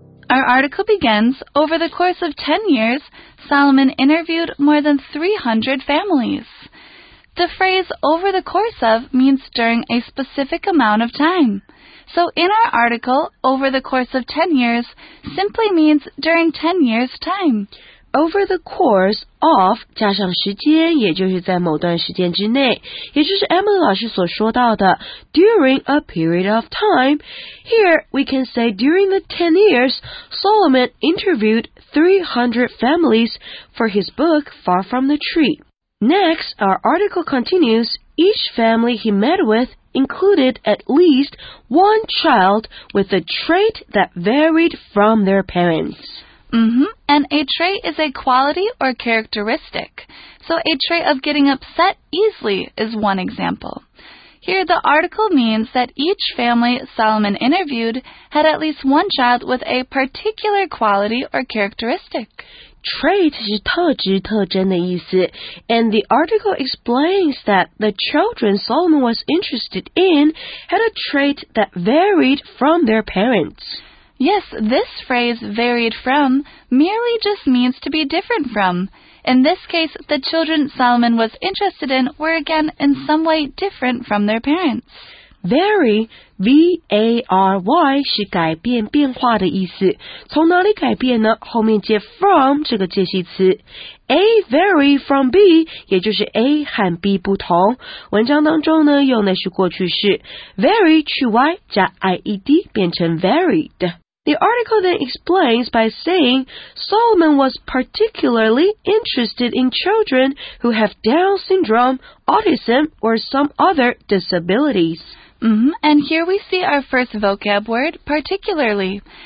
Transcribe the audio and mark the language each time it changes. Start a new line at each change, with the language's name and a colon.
English: Our article begins, over the course of 10 years, Solomon interviewed more than 300 families. The phrase over the course of means during a specific amount of time. So in our article, over the course of 10 years simply means during 10 years' time. Over the course of
Chinese: 加上时间，也就是在某段时间之内，也就是 Emily 老师所说到的
English: during a period of time. Here we can say during the 10 years, Solomon interviewed 300 families for his book Far From the Tree. Next, our article continues. Each family he met with included at least one child with a trait that varied from their parents. And a trait is a quality or characteristic. So a trait of getting upset easily is one example. Here, the article means that each family Solomon interviewed had at least one child with a particular quality or characteristic.
Chinese: Trait 是特质、特征的意思。
English: And the article explains that the children Solomon was interested in had a trait that varied from their parents. Yes, this phrase, varied from, merely just means to be different from. In this case, the children Solomon was interested in were again in some way different from their parents.
Chinese: Vary, V-A-R-Y, 是改变、变化的意思。从哪里改变呢？后面接 from 这个介系词。
English: A vary from B,
Chinese: 也就是 A 和 B 不同。文章当中呢，用的是过去式。 Vary 去 Y 加 I-E-D 变成 varied。
English: The article then explains by saying Solomon was particularly interested in children who have Down syndrome, autism, or some other disabilities. And here we see our first vocab word, particularly.